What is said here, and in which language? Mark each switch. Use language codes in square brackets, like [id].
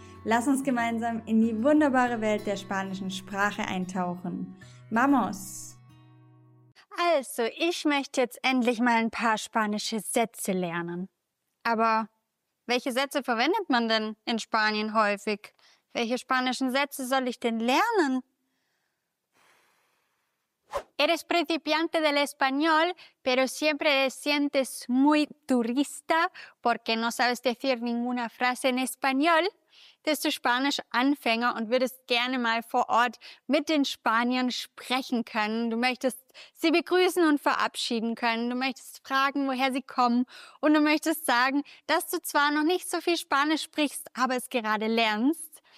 [de] Lass uns gemeinsam in die wunderbare Welt der spanischen Sprache eintauchen. [es] ¡Vamos! [de] Also, ich möchte jetzt endlich mal ein paar spanische Sätze lernen. Aber welche Sätze verwendet man denn in Spanien häufig? Welche spanischen Sätze soll ich denn lernen? [es] Eres principiante del español, pero siempre te sientes muy turista, porque no sabes decir ninguna frase en español. [de] Bist du Spanisch-Anfänger und würdest gerne mal vor Ort mit den Spaniern sprechen können. Du möchtest sie begrüßen und verabschieden können. Du möchtest fragen, woher sie kommen. Und du möchtest sagen, dass du zwar noch nicht so viel Spanisch sprichst, aber es gerade lernst.